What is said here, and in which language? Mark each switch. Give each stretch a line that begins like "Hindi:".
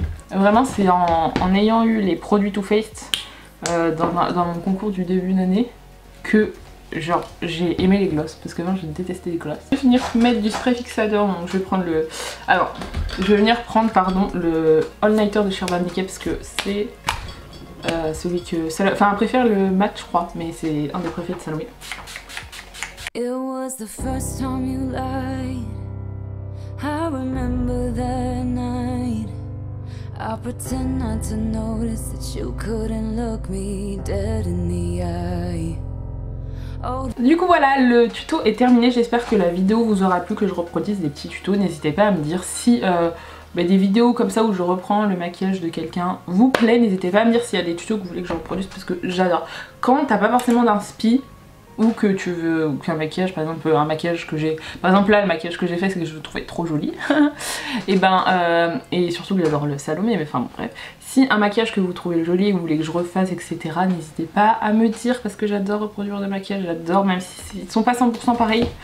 French: Vraiment, c'est en ayant eu les produits Too Faced dans mon concours du début d'année que genre j'ai aimé les gloss, parce que moi je détestais les gloss. Je vais venir mettre du spray fixateur, donc je vais prendre le... Alors, je vais venir prendre, pardon, le All Nighter de chez Urban Decay, parce que c'est celui que... Enfin, elle préfère le mat, je crois, mais c'est un des préférés de Salomé.
English: It was the first time you lied. I remember that night. I pretend not to notice that you couldn't look me dead in the eye.
French: Du coup voilà, le tuto est terminé. J'espère que la vidéo vous aura plu, que je reproduise des petits tutos. N'hésitez pas à me dire si des vidéos comme ça où je reprends le maquillage de quelqu'un vous plaît. N'hésitez pas à me dire s'il y a des tutos que vous voulez que je reproduise, parce que j'adore. Quand t'as pas forcément d'inspi, ou que tu veux qu'un maquillage, par exemple un maquillage que j'ai, par exemple là le maquillage que j'ai fait, c'est que je le trouvais trop joli et ben et surtout que j'adore le Salomé, mais enfin bon bref, si un maquillage que vous trouvez joli et que vous voulez que je refasse etc, n'hésitez pas à me dire, parce que j'adore reproduire des maquillages, j'adore, même si ils sont pas 100% pareils.